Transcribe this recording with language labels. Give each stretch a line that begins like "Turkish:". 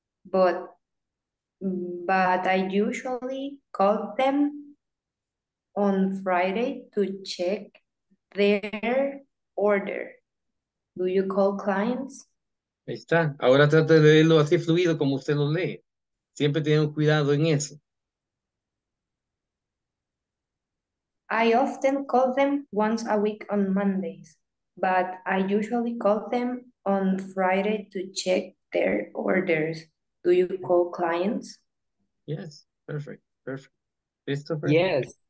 English: But I usually call them on Friday to check their order. Do you call clients?
Spanish: Ahí está. Ahora trate de leerlo así fluido como usted lo lee. Siempre tiene un cuidado en eso.
English: I often call them once a week on Mondays, but I usually call them on Friday to check their orders. Do you call clients? Yes, perfect. Christopher?